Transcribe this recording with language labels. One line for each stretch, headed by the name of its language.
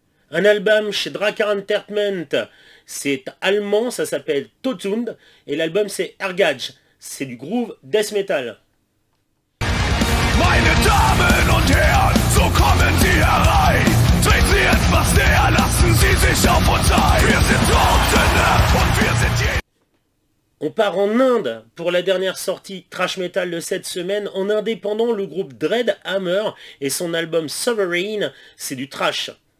French: Un album chez Drakkar Entertainment, c'est allemand, ça s'appelle Totsund, et l'album c'est Ergage, c'est du groove death metal.
German: Meine Damen und Herren, so kommen Sie herein. Treten Sie etwas näher, lassen Sie sich auf uns ein. Wir sind Totsünde und wir sind je.
French: On part en Inde pour la dernière sortie trash metal de cette semaine. En indépendant, le groupe Dreadhammer et son album Sovereign, c'est du trash.